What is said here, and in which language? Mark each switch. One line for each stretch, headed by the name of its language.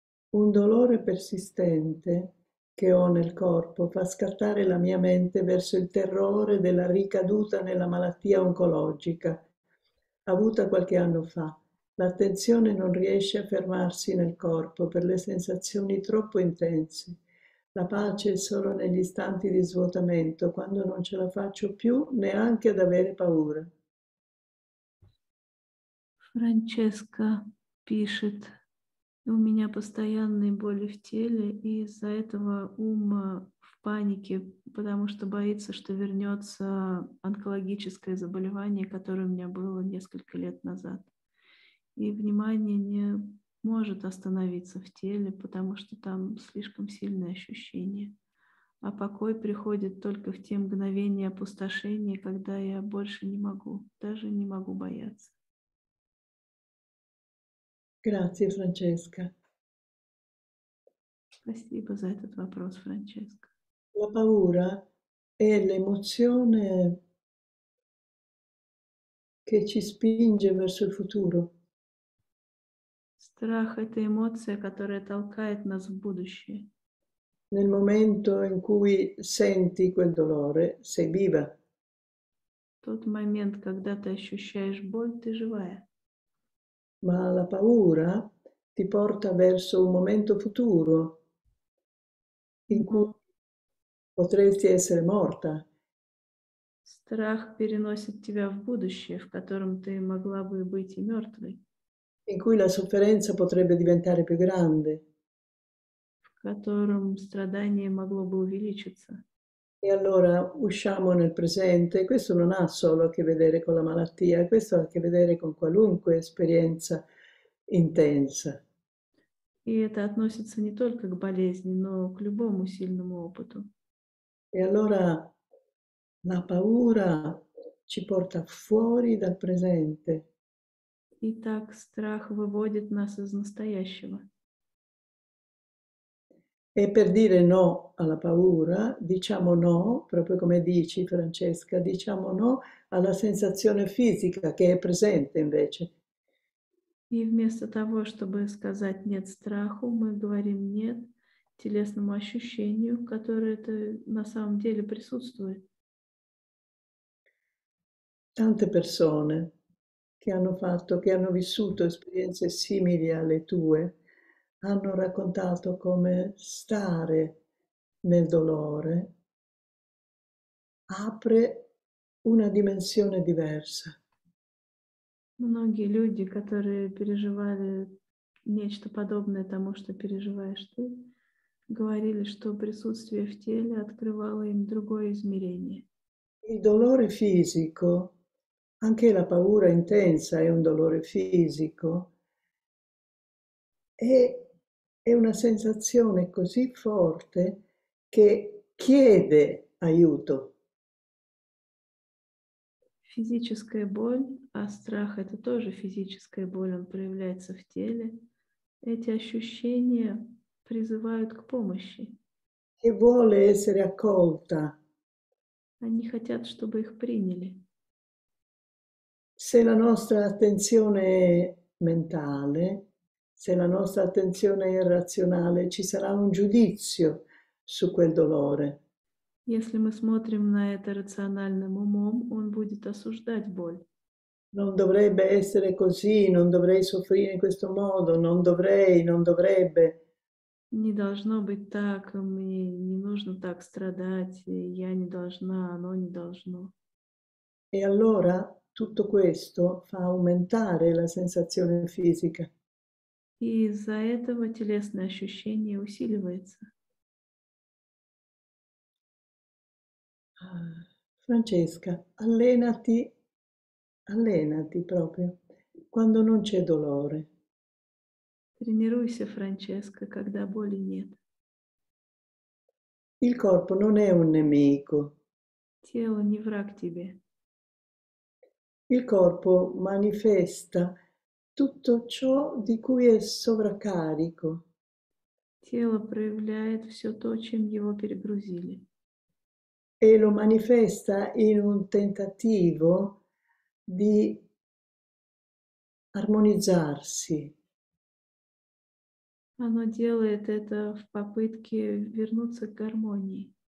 Italian: Un dolore persistente che ho nel corpo fa scattare la mia mente verso il terrore della ricaduta nella malattia oncologica avuta qualche anno fa. L'attenzione non riesce a fermarsi nel corpo per le sensazioni troppo intense. La pace è solo negli istanti di svuotamento, quando non ce la faccio più neanche ad avere paura.
Russian: Франческа пишет, у меня постоянные боли в теле, и из-за этого ум в панике, потому что боится, что вернется онкологическое заболевание, которое у меня было несколько лет назад. И внимание не может остановиться в теле, потому что там слишком сильное ощущение. А покой приходит только в те мгновения опустошения, когда я больше не могу, даже не могу бояться.
Italian: Grazie Francesca.
Russian: Спасибо за этот вопрос, Франческо.
Italian: La paura è l'emozione che ci spinge verso il futuro.
Russian: Страх – это эмоция, которая толкает нас в будущее.
Italian: Nel momento in cui senti quel dolore, sei viva.
Russian: Тот момент, когда ты ощущаешь боль, ты живая.
Italian: Ma la paura ti porta verso un momento futuro in cui
Russian: Но
Italian: potresti essere morta.
Russian: страх переносит тебя в будущее, в котором ты могла бы быть и мертвой,
Italian: In cui la sofferenza potrebbe diventare più grande.
Russian: в котором страдание могло бы увеличиться.
Italian: E allora usciamo nel presente. Questo non ha solo a che vedere con la malattia, questo ha a che vedere con qualunque esperienza. Intensa.
Russian: И это относится не только к болезни, но к любому сильному опыту.
Italian: E allora la paura ci порта fuori dal presente.
Russian: Итак, страх выводит нас из настоящего.
Italian: E per dire no alla paura, diciamo no, proprio come dici Francesca, diciamo no alla sensazione fisica che è presente invece.
Russian: И вместо того, чтобы сказать «нет страху», мы говорим «нет» телесному ощущению, которое на самом деле присутствует.
Italian: Тante persone che hanno fatto, che hanno vissuto esperienze simili alle tue, hanno raccontato come stare nel dolore apre una dimensione diversa.
Russian: Многие люди, которые переживали нечто подобное тому, что переживаешь ты, говорили, что присутствие в теле открывало им другое измерение.
Italian: Il dolore fisico, anche la paura intensa è un dolore fisico, è una sensazione così forte che chiede aiuto.
Russian: Физическая боль, а страх — это тоже физическая боль, он проявляется в теле. Эти ощущения призывают к помощи.
Italian: Che vuole essere accolta.
Russian: Они хотят, чтобы их приняли.
Italian: Se la nostra attenzione è mentale, se la nostra attenzione è razionale, ci sarà un giudizio su quel dolore.
Russian: Если мы смотрим на это рациональным умом, он будет осуждать боль.
Italian: Non dovrebbe essere così, non dovrei soffrire in questo modo, non dovrei, non dovrebbe.
Russian: Не должно быть так, мне не нужно так страдать, я не должна, оно не должно.
Italian: E allora tutto questo fa aumentare la sensazione fisica.
Russian: И из-за этого телесное ощущение усиливается.
Italian: Francesca, allenati, allenati proprio, quando non c'è dolore.
Russian: Тренируйся, Франческа, когда боли нет.
Italian: Il corpo non è un nemico.
Russian: Тело не враг тебе.
Italian: Il corpo manifesta tutto ciò di cui è sovraccarico.
Russian: Тело проявляет все то, чем его перегрузили.
Italian: E lo manifesta in un tentativo di armonizzarsi.
Russian: Оно делает это в попытке вернуться к гармонии.